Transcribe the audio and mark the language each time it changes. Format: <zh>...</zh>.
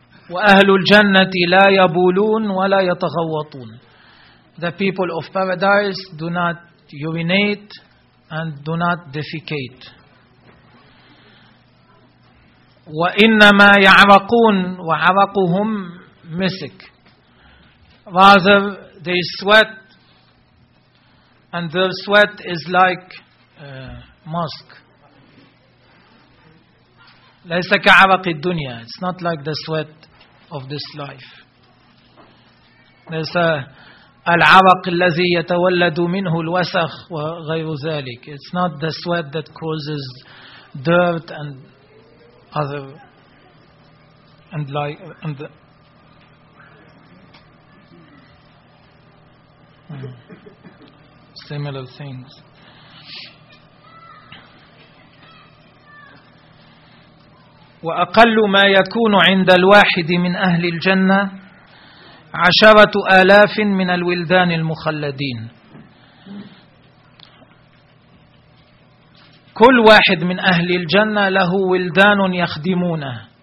<ar>وأهل الجنة لا يبولون ولا يتغوطون.</ar> <en>The people of paradise do not urinate and do not defecate.</en> <ar>وإنما يعرقون وعرقهم مسك.</ar> <en>Rather, they sweat and their sweat is like musk.</en> <ar>ليس كعرق الدنيا.</ar> <en>It's not like the sweat of this life.</en> <ar>ليس العرق الذي يتولد منه الوسخ وغير ذلك.</ar> <en>It's not the sweat that causes dirt and other and like and similar things.</en> <ar>وأقل ما يكون عند الواحد من أهل الجنة 10,000 من الولدان المخلدين. كل واحد من أهل الجنة له ولدان يخدمونه.</ar>